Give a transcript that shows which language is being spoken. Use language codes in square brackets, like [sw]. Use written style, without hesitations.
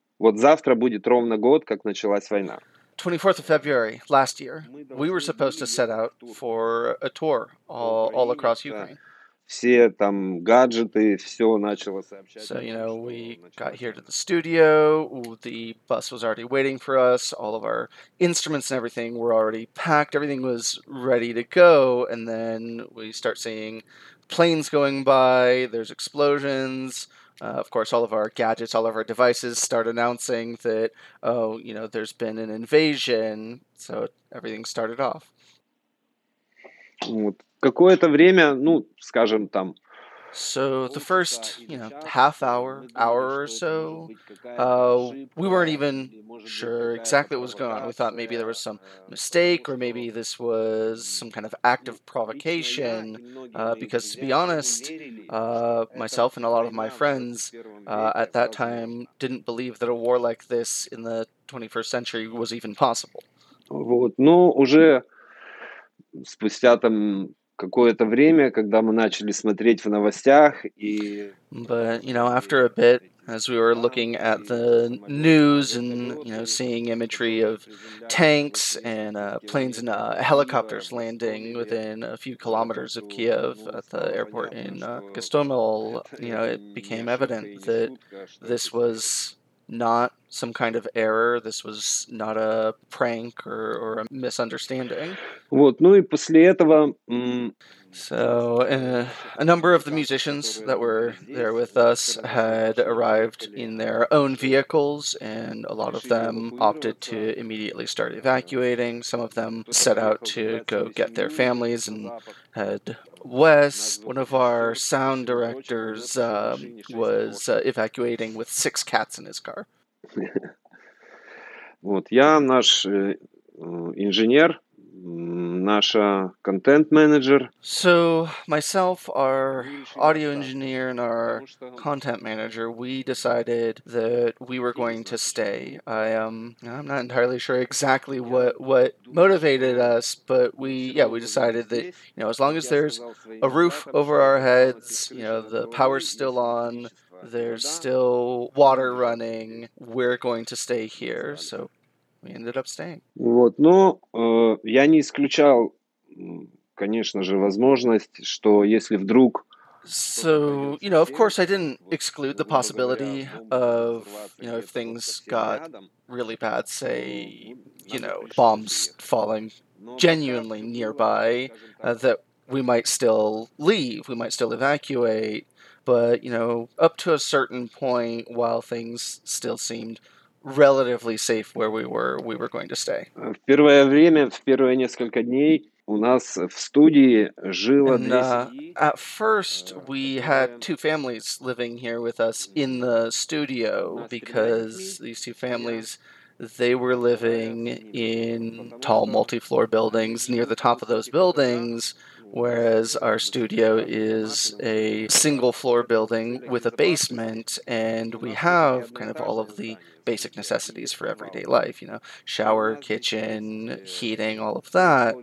[ru] Вот завтра будет ровно год, как началась война. [en] 24th of February last year, we were supposed to set out for a tour all across Ukraine. [ru] Все там гаджеты, все начало сообщать. [en] So, you know, we got here to the studio, the bus was already waiting for us, all of our instruments and everything were already packed, everything was ready to go, and then we start seeing planes going by, there's explosions. Of course, all of our gadgets, all of our devices start announcing that, oh, you know, there's been an invasion. So everything started off. [ru] Вот. Какое-то время, ну, скажем, там... [en] So the first, you know, half hour, hour or so, we weren't even sure exactly what was going on. We thought maybe there was some mistake or maybe this was some kind of act of provocation. Because to be honest, myself and a lot of my friends at that time didn't believe that a war like this in the 21st century was even possible. [ru] Вот, но уже спустя там... Какое-то время, когда мы начали смотреть в новостях и... [en] But, you know, after a bit, as we were looking at the news and, you know, seeing imagery of tanks and planes and helicopters landing within a few kilometers of Kyiv at the airport in Gostomel, you know, it became evident that this was not some kind of error, this was not a prank or a misunderstanding. [ru] Вот, ну и после этого... [en] So, a number of the musicians that were there with us had arrived in their own vehicles, and a lot of them opted to immediately start evacuating. Some of them set out to go get their families and head west. One of our sound directors was evacuating with six cats in his car. [ru] Вот, я наш инженер, наша контент-менеджер. [en] So, myself, our audio engineer and our content manager, we decided that we were going to stay. I'm not entirely sure exactly what motivated us, but we decided that, you know, as long as there's a roof over our heads, you know, the power's still on, there's still water running, we're going to stay here. So we ended up staying. [ru] Вот, но я не исключал, конечно же, возможность, что если вдруг... [en] So, you know, of course, I didn't exclude the possibility of, you know, if things got really bad, say, you know, bombs falling genuinely nearby, that we might still leave, we might still evacuate. But, you know, up to a certain point, while things still seemed relatively safe where we were going to stay. [ru] В первое время, в первые несколько дней у нас в студии жило две семьи. [en] At first, we had two families living here with us in the studio because these two families... They were living in tall multi-floor buildings near the top of those buildings, whereas our studio is a single-floor building with a basement, and we have kind of all of the basic necessities for everyday life, you know, shower, kitchen, heating, all of that.